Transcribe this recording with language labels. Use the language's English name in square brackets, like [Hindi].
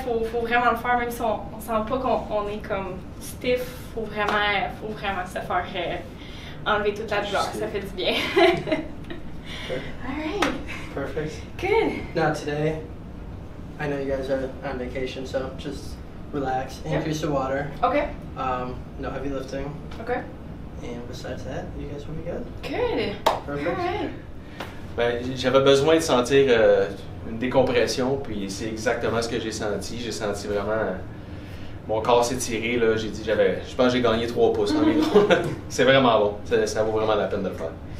[French] Faut vraiment le faire, même si on sent pas qu'on est comme stiff. Faut vraiment se faire enlever toute la douleur. Ça fait du bien. [English] Good. All right. Perfect. Good. Now today, I know you guys are on vacation, so just relax. Increase the water. Okay. No heavy lifting. Okay. And besides that, you guys will be good. Good. Perfect. All right. [French] Ben, j'avais besoin de sentir une décompression, puis c'est exactement ce que j'ai senti. J'ai senti vraiment mon corps s'étirer là. J'ai dit je pense que j'ai gagné 3 pouces en environ. C'est vraiment bon. Ça vaut vraiment la peine de le faire.